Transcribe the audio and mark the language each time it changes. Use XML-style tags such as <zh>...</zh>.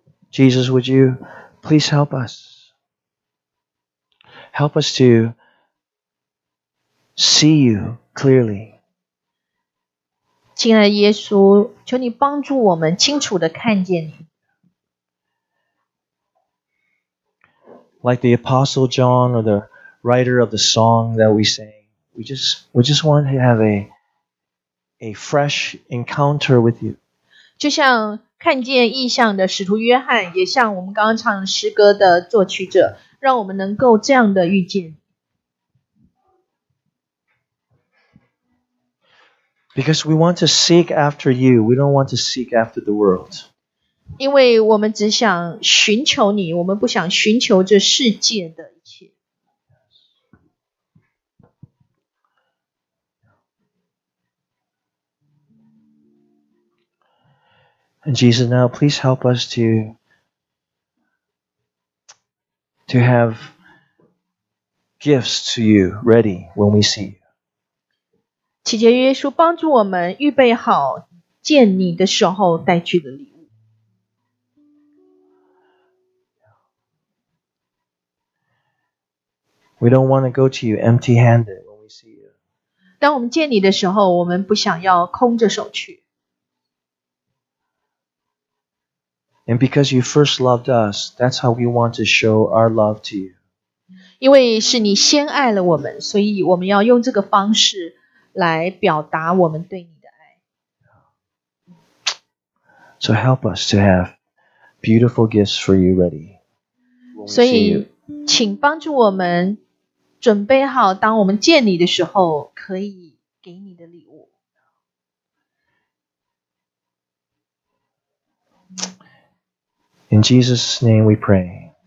<en>Jesus, would you please help us? Help us to see you clearly.</en> <zh>亲爱的耶稣，求你帮助我们清楚地看见你。</zh> <en>Like the Apostle John or the writer of the song that we sang, we just want to have a fresh encounter with you.</en> <zh>就像看见异象的使徒约翰，也像我们刚刚唱诗歌的作曲者，让我们能够这样的遇见。</zh> <en>Because we want to seek after you, we don't want to seek after the world.</en> <zh>因为我们只想寻求你，我们不想寻求这世界的一切。</zh> <en>And Jesus, now please help us to have gifts to you ready when we see you.</en> <zh>祈求耶稣帮助我们预备好见你的时候带去的礼物。</zh> <en>We don't want to go to you empty-handed when we see you.</en> <zh>当我们见你的时候，我们不想要空着手去。</zh> <en>And because you first loved us, that's how we want to show our love to you.</en> <zh>因为是你先爱了我们，所以我们要用这个方式来表达我们对你的爱。</zh> <en>So help us to have beautiful gifts for you ready.</en> <zh>所以请帮助我们准备好当我们见你的时候可以给你的礼物。</zh> <en>In Jesus' name we pray.</en>